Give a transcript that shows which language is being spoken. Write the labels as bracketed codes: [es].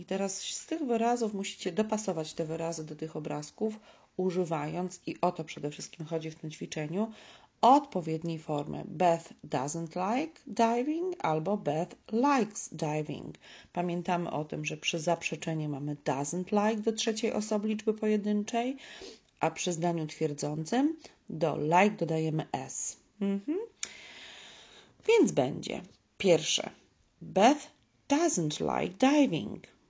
[pl] I teraz z tych wyrazów musicie dopasować te wyrazy do tych obrazków, używając, i o to przede wszystkim chodzi w tym ćwiczeniu, odpowiedniej formy. [en] Beth doesn't like diving [pl] albo [en] Beth likes diving. [pl] Pamiętamy o tym, że przy zaprzeczeniu mamy [en] doesn't like [pl] do trzeciej osoby liczby pojedynczej, a przy zdaniu twierdzącym do like dodajemy s. Więc będzie pierwsze. [en] Beth doesn't like diving.